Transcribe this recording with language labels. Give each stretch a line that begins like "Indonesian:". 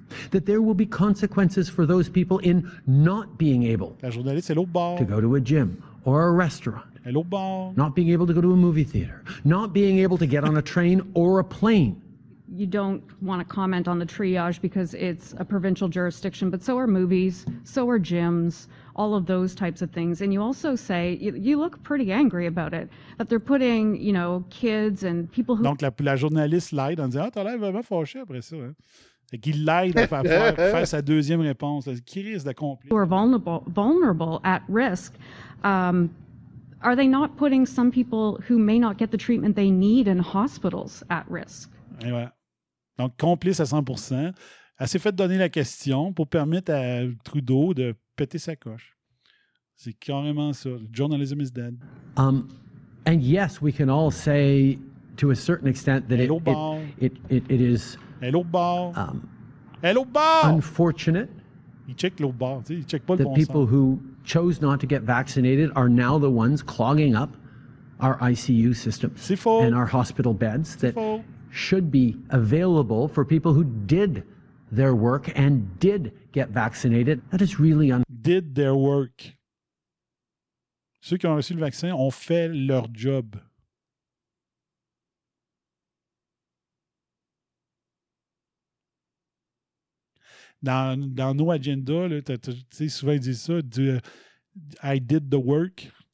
English: that there will be consequences for those people in not being able to go to a gym or a restaurant, not being able to go to a movie theater, not being able to get on a train or a plane. You don't want to comment on the triage because it's a provincial jurisdiction, but so are movies, so are gyms, all of those types of things. And you also say, you look pretty angry about it, that they're putting, you know, kids and people who...
French: Donc, la journaliste l'aide en disant, ah, t'as l'air vraiment fâché après ça. Hein? Fait qu'il l'aide à faire sa deuxième réponse. Qui risque d'accomplir?
English: Who are vulnerable at risk. Are they not putting some people who may not get the treatment they need in hospitals at risk?
French: Et voilà. Donc, complice à 100%. Elle s'est fait donner la question pour permettre à Trudeau de péter sa coche. C'est carrément ça.
English: Journalism is dead. And yes, we can all say to a certain extent that it is... Hello, bar! Hello, bar! Unfortunate.
French: Il check l'autre bar. Tu sais, il check pas le bon
English: sens. The people who chose not to get vaccinated are now the ones clogging up our ICU system.
French: C'est faux.
English: And our hospital beds.
French: C'est faux.
English: Should be available for people who did their work and did get vaccinated. That is really did their work.
French: Ceux qui ont reçu le vaccin ont fait leur job. Dans nos agendas, tu sais, souvent ils disent ça,
English: I did the work.